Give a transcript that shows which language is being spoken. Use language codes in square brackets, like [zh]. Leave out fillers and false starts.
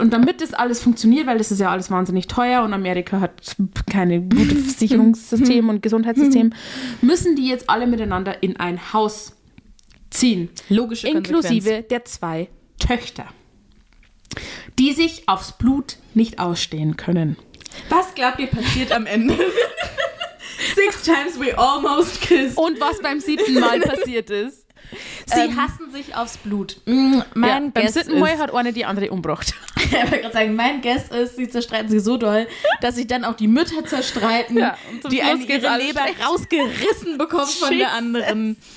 [de] Und damit das alles funktioniert, weil das ist ja alles wahnsinnig teuer und Amerika hat keine gute Versicherungssystem und Gesundheitssystem, müssen die jetzt alle miteinander in ein Haus ziehen. Logische Konsequenz. Inklusive der zwei Töchter, die sich aufs Blut nicht ausstehen können. Was glaubt ihr passiert am Ende? [en] Six times we almost kissed. [de] Und was beim siebten Mal passiert ist. Sie hassen sich aufs Blut. Mein Guess ist, beim hat eine die andere umgebracht. Ich wollte gerade sagen, mein Guess ist, sie zerstreiten sich so doll, dass sich dann auch die Mütter zerstreiten, ja, die eine ihre Leber schlecht rausgerissen bekommen von der anderen.